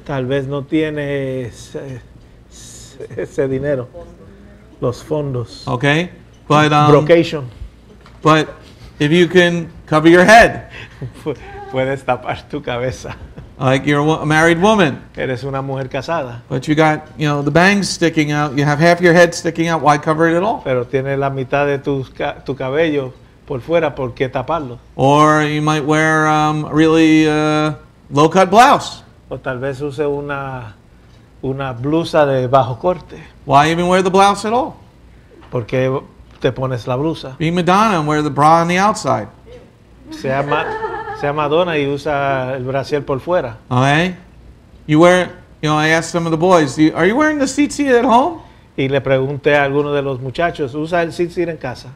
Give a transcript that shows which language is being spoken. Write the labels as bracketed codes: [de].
[es] Tal vez no tiene ese dinero. Los fondos. [en] Okay. Brocation. But if you can cover your head. [es] Puedes tapar tu cabeza. [en] Like you're a married woman. [es] Eres una mujer casada. [en] But you got, you know, the bangs sticking out. You have half your head sticking out. Why cover it at all? [es] Pero tiene la mitad de tu cabello por fuera. ¿Por qué taparlo? [en] Or you might wear a really low-cut blouse. [es] O tal vez use una blusa de bajo corte. [en] Why even wear the blouse at all? [es] ¿Por qué te pones la blusa? [en] Be Madonna and wear the bra on the outside. [es] Sea Madonna y usa el brasier por fuera. [en] Okay. You wear, you know, I asked some of the boys, are you wearing the tzitzit at home? [es] Y le pregunté a alguno de los muchachos, ¿usa el tzitzit en casa?